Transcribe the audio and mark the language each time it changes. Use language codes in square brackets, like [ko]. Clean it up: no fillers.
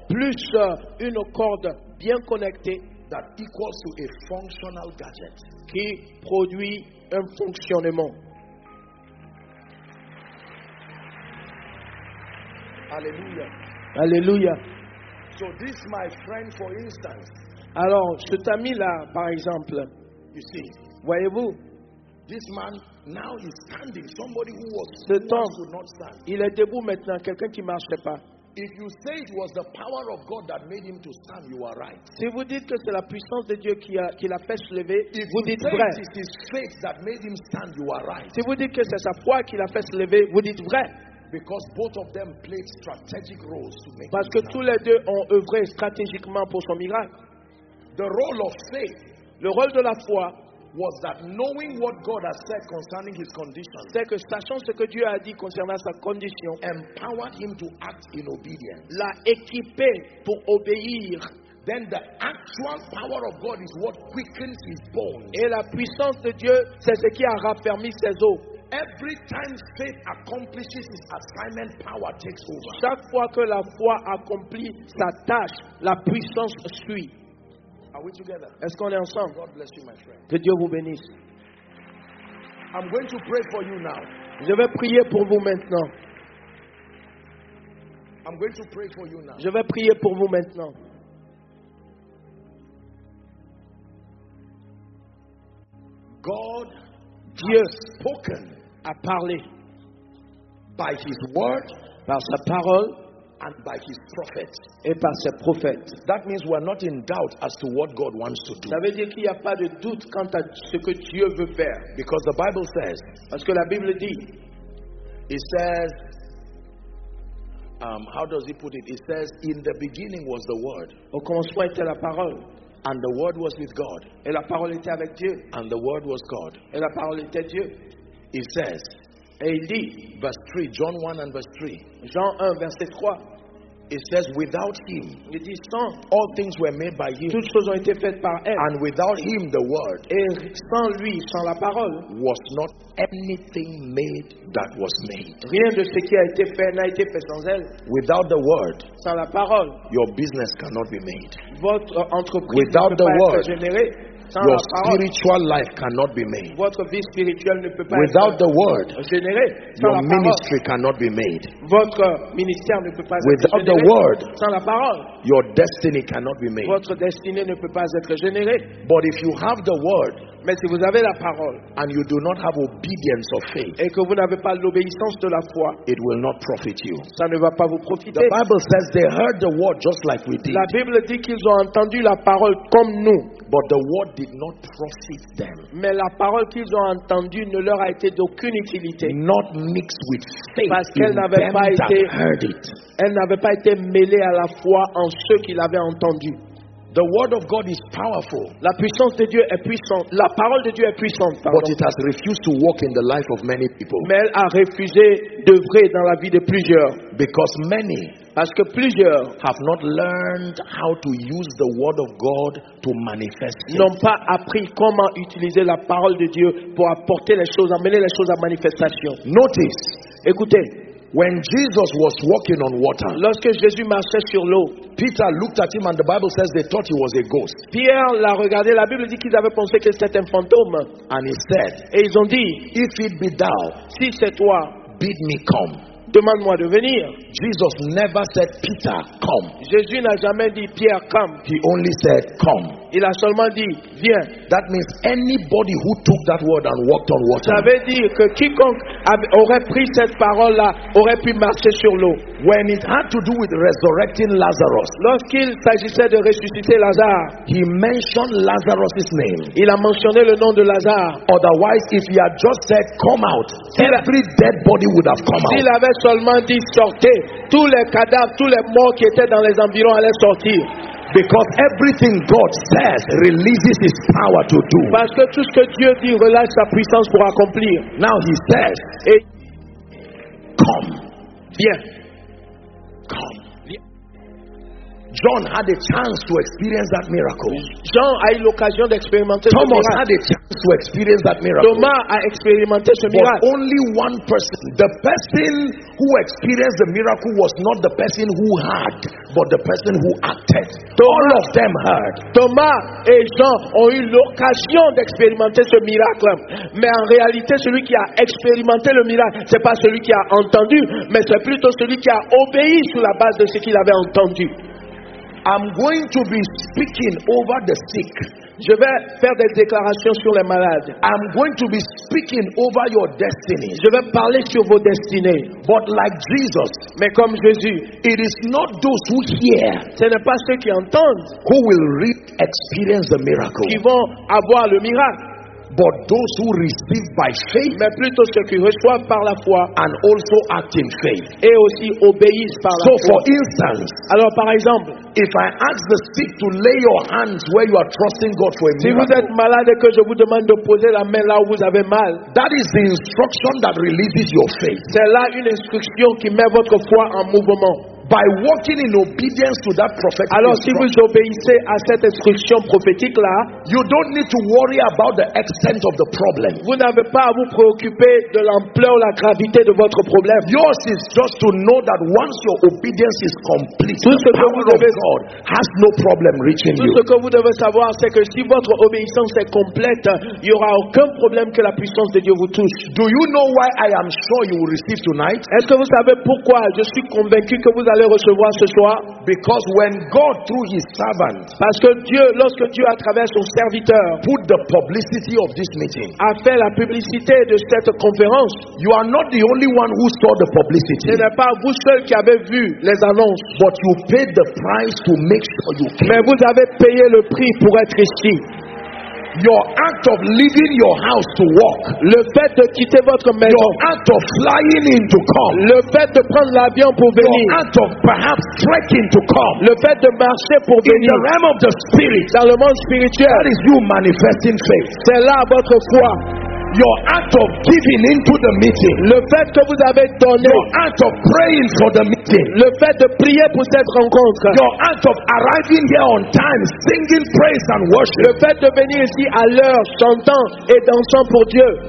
[fr] Plus une corde bien connectée [en] that equals to a functional gadget. [fr] Qui produit un fonctionnement. Alléluia. Alléluia. [en] So this my friend for instance. [fr] Alors, cet ami là, par exemple, [en] you see, [fr] voyez-vous, [en] this man now is standing. Somebody who was [fr] cet homme, il est debout maintenant, quelqu'un qui ne marchait pas. [en] If you say it was the power of God that made him to stand, you are right. [fr] Si vous dites que c'est la puissance de Dieu qui l'a fait se lever, vous dites vrai. [en] If it is faith that made him stand, you are right. [fr] Si vous dites que c'est sa foi qui l'a fait se lever, vous dites vrai. [en] Because both of them played strategic roles to make. [fr] Parce que tous les deux ont œuvré stratégiquement pour son miracle. [en] The role of faith, [fr] le rôle de la foi, [en] was that knowing what God has said concerning his condition, [fr] c'est que sachant ce que Dieu a dit concernant sa condition, [en] empowered him to act in obedience, [fr] l'a équipé pour obéir. [en] Then the actual power of God is what quickens his bones. [fr] Et la puissance de Dieu, c'est ce qui a raffermi ses os. [en] Every time faith accomplishes its assignment, power takes over. [fr] Chaque fois que la foi accomplit sa tâche, la puissance suit. [en] Are we together? [fr] Est-ce qu'on est ensemble? [en] God bless you, my friend. [fr] Que Dieu vous bénisse. [en] I'm going to pray for you now. [fr] Je vais prier pour vous maintenant. [en] I'm going to pray for you now. [fr] Je vais prier pour vous maintenant. [en] God, [fr] Dieu, [en] has spoken, [fr] a parlé [en] by his word, [fr] par sa parole. [en] And by his prophets. [fr] Et par ses prophètes. [en] That means we are not in doubt as to what God wants to do. [fr] Ça veut dire qu'il n'y a pas de doute quant à ce que Dieu veut faire. [en] Because the Bible says, [fr] parce que la Bible dit, [en] it says, how does he put it? It says, in the beginning was the word. [fr] Au commencement était la parole. [en] And the word was with God. [fr] Et la parole était avec Dieu. [en] And the word was God. [fr] Et la parole était Dieu. [en] It says, [fr] et il dit, [en] verse 3, John 1 and verse 3. [fr] Jean 1, verset 3. [en] It says, without him, [fr] il dit, sans, [en] all things were made by him. [fr] Toutes choses ont été faites par elle. [en] And without him, the word, [fr] et sans lui, sans la parole, [en] was not anything made that was made. [fr] Rien de ce qui a été fait n'a été fait sans elle. [en] Without the word, [fr] sans la parole, [en] your business cannot be made. [fr] Votre entreprise [en] without [fr] ne peut pas être générée. [en] Your spiritual life cannot be made. [fr] Votre vie spirituelle ne peut pas [en] without [fr] être [en] the word, [fr] générée, [en] your ministry cannot be made. [fr] Votre ministère ne peut pas [en] without [fr] être générée, [en] the word, [fr] sans la parole, [en] your destiny cannot be made. [fr] Votre destinée ne peut pas être générée. [en] But if you have the word, [fr] mais si vous avez la parole, [en] and you do not have obedience of faith, [fr] et que vous n'avez pas l'obéissance de la foi, [en] it will not profit you. [fr] Ça ne va pas vous profiter. [en] The Bible says they heard the word just like we did. [fr] La Bible dit qu'ils ont entendu la parole comme nous. [en] But the word did not profit them. [fr] Mais la parole qu'ils ont entendue ne leur a été d'aucune utilité. [en] Not mixed with faith. [fr] Parce qu'elle n'avait pas été, elle n'avait pas été mêlée à la foi en ceux qui l'avaient entendu. [en] The word of God is powerful. [fr] La puissance de Dieu est puissante. La parole de Dieu est puissante. Pardon. [en] But it has refused to walk in the life of many people. [fr] Mais elle a refusé d'œuvrer dans la vie de plusieurs. [en] Because many, [fr] parce que plusieurs, [en] have not learned how to use the word of God to manifest. [fr] N'ont pas appris comment utiliser la parole de Dieu pour apporter les choses, amener les choses à manifestation. [en] Notice, [fr] écoutez. [en] When Jesus was walking on water, [fr] lorsque Jésus marchait sur l'eau, [en] Peter looked at him and the Bible says they thought he was a ghost. [fr] Pierre l'a regardé, la Bible dit qu'ils avaient pensé que c'était un fantôme. [en] And he said, [fr] et ils ont dit, [en] if it be thou, [fr] si c'est toi, [en] bid me come. [fr] Demande-moi de venir. [en] Jesus never said, Peter, come. [fr] Jésus n'a jamais dit, Pierre, [en] come. He only said, come. [fr] Il a seulement dit, viens. [en] That means anybody who took that word and walked on water. [fr] Ça veut dire que quiconque aurait pris cette parole-là aurait pu marcher sur l'eau. [en] When it had to do with resurrecting Lazarus, [fr] lorsqu'il s'agissait de ressusciter Lazare, [en] he mentioned Lazarus's name. [fr] Il a mentionné le nom de Lazare. [en] Otherwise, if he had just said, come out, every dead body would have come out. [fr] S'il avait seulement dit, sortez, tous les cadavres, tous les morts qui étaient dans les environs allaient sortir. [en] Because everything God says releases His power to do. [fr] Parce que tout ce que Dieu dit relâche sa puissance pour accomplir. [en] Now He says, come. [fr] Viens. [en] Come. John had a chance to experience that miracle. [fr] John a eu l'occasion d'expérimenter Thomas ce miracle. [en] Thomas had a chance to experience that miracle. [fr] Thomas a expérimenté ce miracle. [en] But only one person. The person who experienced the miracle was not the person who heard, but the person who acted. Thomas, all of them heard. [fr] Thomas et Jean ont eu l'occasion d'expérimenter ce miracle. Mais en réalité, celui qui a expérimenté le miracle, ce n'est pas celui qui a entendu, mais c'est plutôt celui qui a obéi sur la base de ce qu'il avait entendu. [en] I'm going to be speaking over the sick. [fr] Je vais faire des déclarations sur les malades. [en] I'm going to be speaking over your destiny. [fr] Je vais parler sur vos destinées. [en] But like Jesus, [fr] mais comme Jésus, [en] it is not those who hear, [fr] ce n'est pas ceux qui entendent, [en] who will experience the miracle, [fr] qui vont avoir le miracle. [en] But those who receive by faith, [fr] mais plutôt ceux qui reçoivent par la foi, [en] and also act in faith, [fr] et aussi obéissent par la [en] so [fr] foi. [en] So, for instance, [fr] alors par exemple, [en] if I ask the sick to lay your hands where you are trusting God for a miracle, [fr] si vous êtes malade et que je vous demande de poser la main là où vous avez mal, [en] that is the instruction that releases your faith. [fr] C'est là une instruction qui met votre foi en mouvement. [en] By walking in obedience to that prophetic, [fr] alors si vous obéissez à cette instruction prophétique là, [en] you don't need to worry about the extent of the problem. [fr] Vous n'avez pas à vous préoccuper de l'ampleur ou la gravité de votre problème. [en] Yours is just to know that once your obedience is complete, [fr] tout ce [en] the power [fr] que devez, [en] of God has no problem reaching [fr] tout [en] you. [fr] Ce que vous devez savoir, c'est que si votre obéissance est complète, il y aura aucun problème que la puissance de Dieu vous touche. [en] Do you know why I am sure you will receive tonight? [fr] Est-ce que vous savez pourquoi je suis convaincu que vous allez recevoir ce soir? [en] Because when God through His servant, [fr] parce que Dieu, lorsque Dieu à travers son serviteur, [en] put the publicity of this meeting, [fr] a fait la publicité de cette conférence, [en] you are not the only one who saw the publicity. [fr] Ce n'est pas vous seul qui avez vu les annonces, [en] but you paid the price to make sure you came. [fr] Mais vous avez payé le prix pour être ici. [en] Your act of leaving your house to walk, [fr] le fait de quitter votre maison, [en] your act of flying in to come, [fr] le fait de prendre l'avion pour venir, [en] your act of perhaps trekking to come, [fr] le fait de marcher pour venir, [en] in the realm of the spirit, [fr] dans le monde spirituel, [en] that is you manifesting faith. [fr] C'est là votre foi. [en] Your act of giving into the meeting, [fr] le fait que vous avez donné, [en] your act of praying for the meeting, [fr] le fait de prier pour cette rencontre, [en] your act of arriving here on time, singing praise and worship, [fr] le fait de venir ici à l'heure, chantant et dansant pour Dieu,